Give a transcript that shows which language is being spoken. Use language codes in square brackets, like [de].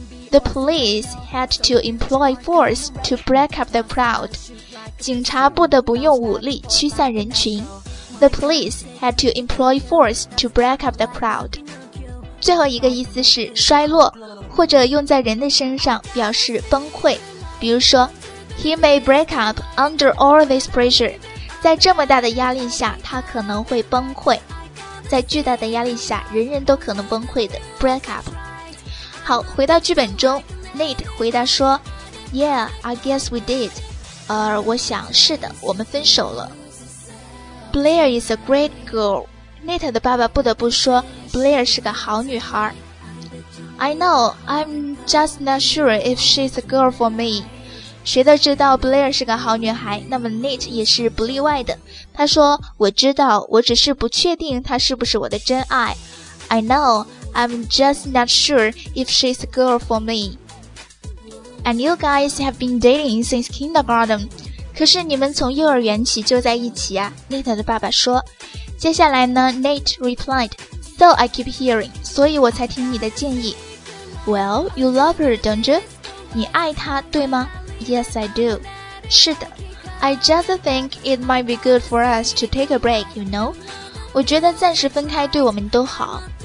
[en] The police had to employ force to break up the crowd. [zh] 警察不得不用武力驱散人群。 [en] The police had to employ force to break up the crowd. [zh] 最后一个意思是衰落，或者用在人的身上表示崩溃。比如说 [en] ,He may break up under all this pressure. [zh] 在这么大的压力下他可能会崩溃。在巨大的压力下人人都可能崩溃的 , [en] break up. [zh] 好，回到剧本中 [en] ，Nate [zh] 回答说 [en] ，Yeah, I guess we did. [zh] 我想是的，我们分手了。 [en] Blair is a great girl. [zh] Nate 的爸爸不得不说 ，Blair 是个好女孩。 [en] I know, I'm just not sure if she's a girl for me. [zh] 谁都知道 Blair 是个好女孩，那么 Nate 也是不例外的。他说，我知道，我只是不确定她是不是我的真爱。 [en] I know. I'm just not sure if she's a girl for me. And you guys have been dating since kindergarten. [zh] 可是你们从幼儿园起就在一起啊 ,Nate 的爸爸说。接下来呢 [en] ,Nate replied, So I keep hearing, [zh] 所以我才听你的建议。 [en] Well, you love her, don't you? [zh] 你爱她对吗 [en] ?Yes, I do. [zh] 是的。 [en] I just think it might be good for us to take a break, you know? [zh] 我觉得暂时分开对我们都好。